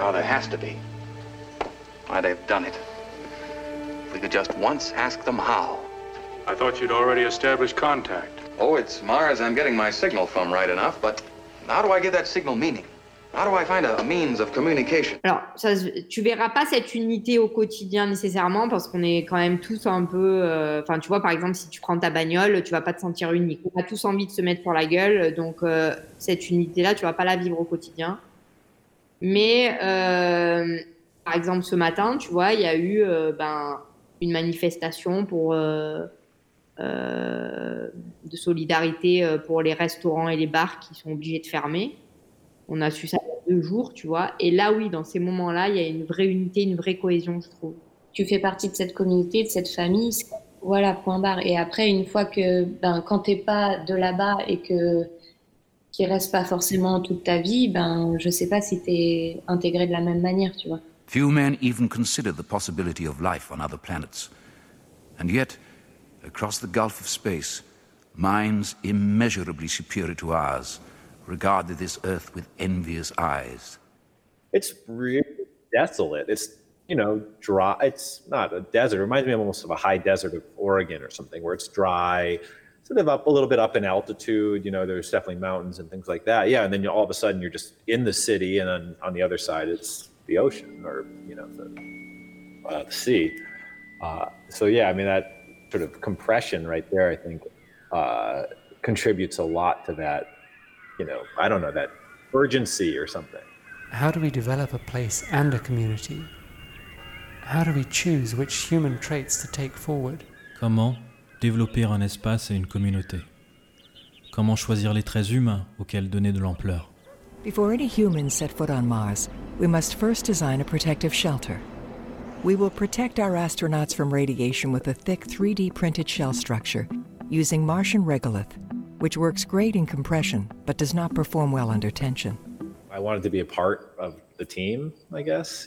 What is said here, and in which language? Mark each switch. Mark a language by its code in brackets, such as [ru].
[en] Oh, there has to be. Why, they've done it. If we could just once ask them how. I thought you'd already established contact. Oh, it's Mars. I'm getting my signal from right enough, but how do I get that signal meaning? How do I find a means of communication? [fr] Alors, ça, tu verras pas cette unité au quotidien nécessairement, parce qu'on est quand même tous un peu... Enfin, tu vois, par exemple, si tu prends ta bagnole, tu vas pas te sentir unique. On a tous envie de se mettre sur la gueule, donc cette unité-là, tu vas pas la vivre au quotidien. Mais, par exemple, ce matin, tu vois, il y a eu une manifestation pour... de solidarité pour les restaurants et les bars qui sont obligés de fermer. On a su ça il y a deux jours, tu vois. Et là, oui, dans ces moments-là, il y a une vraie unité, une vraie cohésion, je trouve. Tu fais partie de cette communauté, de cette famille. Voilà, point barre. Et après, une fois que... Ben, quand t'es pas de là-bas et que... qu'il reste pas forcément toute ta vie, ben, je sais pas si t'es intégré de la même manière, tu vois. [en] Few men even consider the possibility of life on other planets. And yet, across the gulf of space, minds immeasurably superior to ours regarded this earth with envious eyes. It's really desolate. It's, you know, dry. It's not a desert. It reminds me almost of a high desert of Oregon or something, where it's dry, sort of up a little bit up in altitude. You know, there's definitely mountains and things like that. Yeah, and then all of a sudden you're just in the city, and then on the other side it's the ocean, or, you know, the sea. So yeah, I mean, that sort of compression right there, I think, contributes a lot to that. You know, I don't know, that urgency or something. How do we develop a place and a community? How do we choose which human traits to take forward? [fr] Comment développer un espace et une communauté? Comment choisir les traits humains auxquels donner de l'ampleur? [en] Before any human set foot on Mars, we must first design a protective shelter. We will protect our astronauts from radiation with a thick 3D printed shell structure using Martian regolith, which works great in compression but does not perform well under tension. I wanted to be a part of the team, I guess.